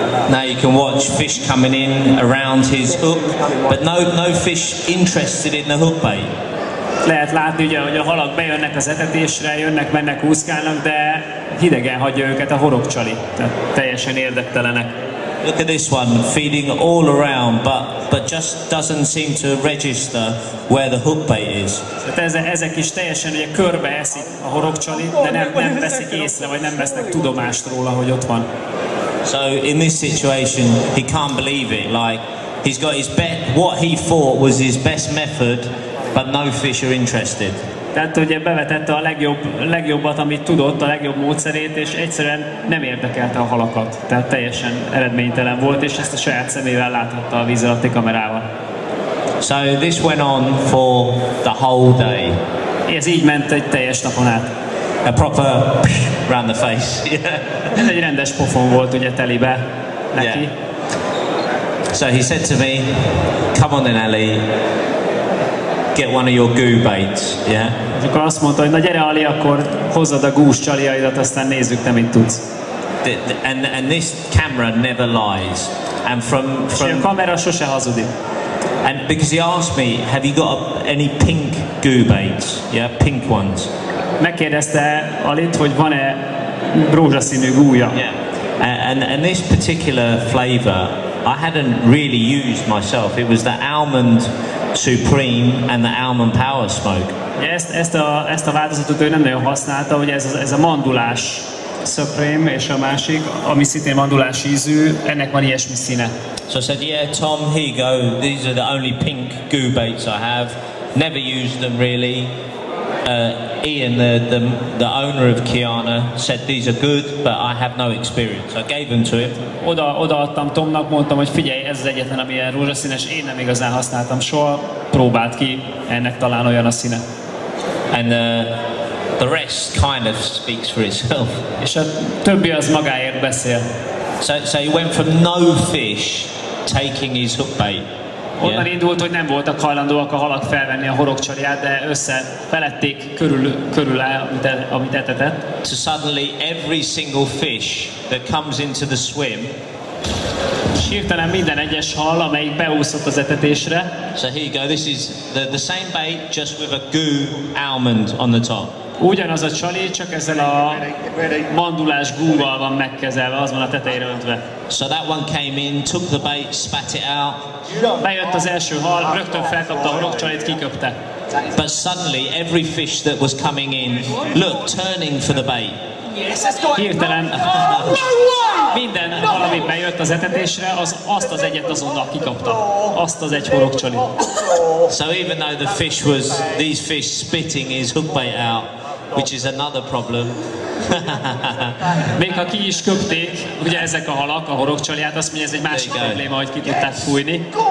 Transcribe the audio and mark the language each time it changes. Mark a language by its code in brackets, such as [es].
[en] Now you can watch fish coming in around his hook, but no fish interested in the hook bait. [hu] Lehet látni, ugye, hogy a halak bejönnek az etetésre, jönnek, mennek, úszkálnak, de hidegen hagyja őket a horogcsali. Tehát teljesen érdektelenek. [en] Look at this one, feeding all around, but just doesn't seem to register where the hook bait is. [hu] Ezek is teljesen ugye körbe eszik a horogcsali, de nem veszik észre, vagy nem vesznek tudomást róla, hogy ott van. [en] So in this situation, he can't believe it. Like, he's got his bet, what he thought was his best method, but no fish are interested. [hu] Tehát ugye bevetette a legjobbat, amit tudott, a legjobb módszerét, és egyszerűen nem érdekelte a halakat. Tehát teljesen eredménytelen volt, és ezt a saját szemével láthatta a víz alatti kamerával. [en] So this went on for the whole day. [hu] Ez így ment egy teljes napon át. [en] A proper round the face. Yeah. [hu] Egy rendes pofon volt ugye telibe neki. [en] Yeah. So he said to me, come on then, Ali. Get one of your goo baits, yeah? [hu] És akkor azt mondta, hogy na gyere Ali, akkor hozzad a gús csaliaidat, aztán nézzük, te mit tudsz. [en] And this camera never lies. And from [hu] a kamera sose hazudik. [en] And because he asked me, have you got any pink goo baits? Yeah, pink ones. [hu] Megkérdezte Alit, hogy van-e rózsaszínű gúja. [en] Yeah. And this particular flavor, I hadn't really used myself. It was the almond supreme and the almond power smoke. [hu] Yes, ezt a változatot ő nem nagyon használta, hogy ez a mandulás supreme és a másik, ami szintén mandulás ízű, ennek van ilyesmi színe. [en] So I said, yeah, Tom, here you go. These are the only pink goo baits I have. Never used them really. Ian, the owner of Kiana, said these are good, but I have no experience. I gave them to him. [hu] Odaadtam Tomnak, mondtam, hogy figyelj, ez az egyetlen, ami ilyen rózsaszínes, én nem igazán használtam soha, próbáld ki, ennek talán olyan a színe. [en] And the rest kind of speaks for itself. [hu] És a többi az magáért beszél. [en] So he went from no fish taking his hook bait. [hu] Onnan yeah. Indult, hogy nem voltak hajlandóak a halak felvenni a horogcsaliát, de össze felették körül el, amit etetett. [en] So suddenly every single fish that comes into the swim. [hu] Hirtelen minden egyes hal, amelyik beúszott az etetésre. [en] So here you go, this is the same bait, just with a goo almond on the top. [hu] Ugyanaz a csali, csak ezzel a mandulás gúval van megkezelve, az van a tetejére öntve. [en] So that one came in, took the bait, spat it out. [hu] Bejött az első hal, rögtön felkapta a rokcsalit, kiköpte. [en] But suddenly every fish that was coming in, look, turning for the bait. [hu] Hirtelen minden hal, ami bejött az etetésre, azt az egyet azonnal kikapta. Azt az egy horogcsali. [en] So even though the fish was, these fish spitting his hook bait out, which is another problem. [hu] Még ha ki is köpték, ugye ezek a halak, a horogcsaliát, azt mondja, ez egy másik probléma, hogy ki tudták fújni.